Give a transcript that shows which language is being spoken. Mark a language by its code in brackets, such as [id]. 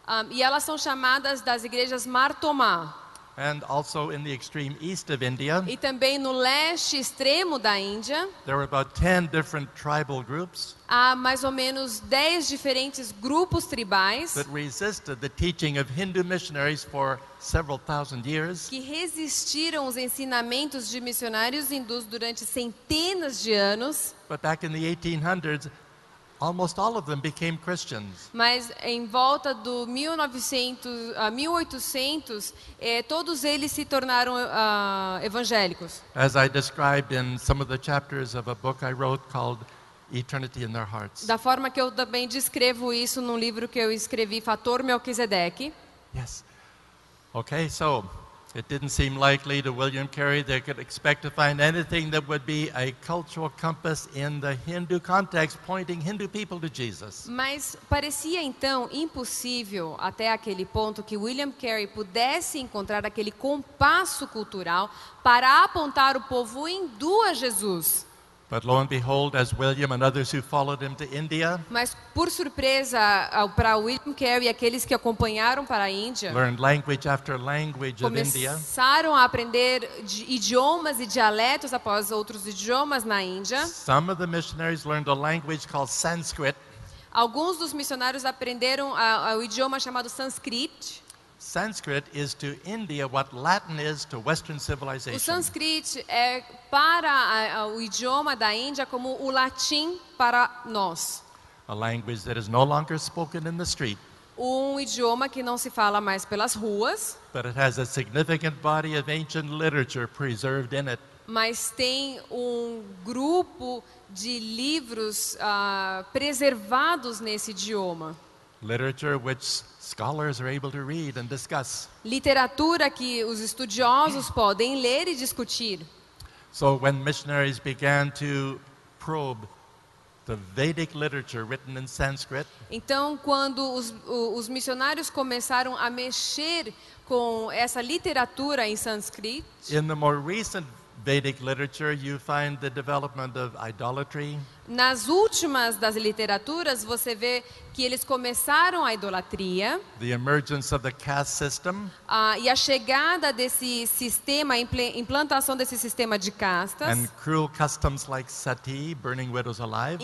[pt] E elas são chamadas das igrejas Martoma. [en] And also in the extreme east of India. [pt] E também no leste extremo da Índia. [en] There were about 10 different tribal groups. [pt] Há mais ou menos 10 diferentes grupos tribais. [en] That resisted the teaching of Hindu missionaries for several thousand years. [pt] Que resistiram os ensinamentos de missionários hindus durante centenas de anos. [en] But back in the 1800s, almost all of them became Christians. [pt] Mas em volta do 1800, todos eles se tornaram evangélicos. [en] As I described in some of the chapters of a book I wrote called Eternity in Their Hearts. [pt] Da forma que eu também descrevo isso num livro que eu escrevi, Fator Melquisedeque. [en] Yes. Okay, so it didn't seem likely to William Carey they could expect to find anything that would be a cultural compass in the Hindu context pointing Hindu people to Jesus. [pt] Mas parecia então impossível até aquele ponto que William Carey pudesse encontrar aquele compasso cultural para apontar o povo hindu a Jesus. [en] But lo and behold, as William and others who followed him to India, [pt] mas por surpresa para William Carey e aqueles que acompanharam para a Índia, [en] learned language after language of India, [pt] começaram a aprender idiomas e dialetos após outros idiomas na Índia. [en] Some of the missionaries learned a language called Sanskrit. [pt] Alguns dos missionários aprenderam o idioma chamado Sanskrit. [en] Sanskrit is to India what Latin is to Western civilization. [pt] O Sanskrit é para o idioma da Índia como o latim para nós. [en] A language that is no longer spoken in the street. [pt] Um idioma que não se fala mais pelas ruas. [en] But it has a significant body of ancient literature preserved in it. [pt] Mas tem um grupo de livros preservados nesse idioma. [en] Literature which scholars are able to read and discuss. [pt] Literatura que os estudiosos podem ler e discutir. [en] So when missionaries began to probe the Vedic literature written in Sanskrit. [pt] Então quando os missionários começaram a mexer com essa literatura em Sanskrit. [en] In the more recent Vedic literature you find the development of idolatry. [pt] Nas últimas das literaturas você vê que eles começaram a idolatria. [en] The emergence of the caste system. [pt] E a chegada desse sistema, implantação desse sistema de castas. [en] And cruel customs like sati, burning widows alive.